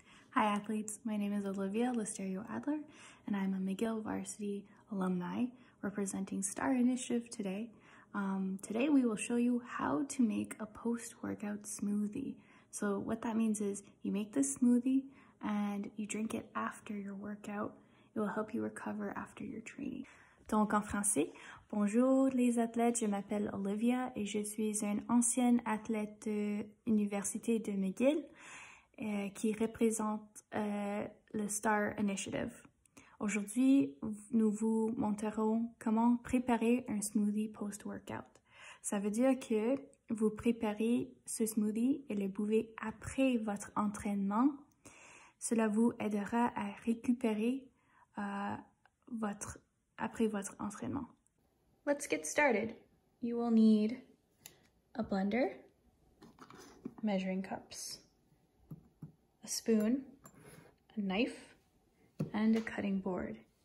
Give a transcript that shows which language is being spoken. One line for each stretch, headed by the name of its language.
English: Hi athletes, my name is Olivia Listerio-Adler and I'm a McGill Varsity alumni representing STAR Initiative today. Today we will show you how to make a post-workout smoothie. So what that means is you make this smoothie and you drink it after your workout. It will help you recover after your training.
French: Donc en français, bonjour les athlètes, je m'appelle Olivia et je suis une ancienne athlète de l'Université de McGill. Qui représente le STAR Initiative. Aujourd'hui, nous vous montrerons comment préparer un smoothie post-workout. Ça veut dire que vous préparez ce smoothie et le buvez après votre entraînement. Cela vous aidera à récupérer après votre entraînement.
English: Let's get started. You will need a blender, measuring cups, a spoon, a knife, and a cutting board.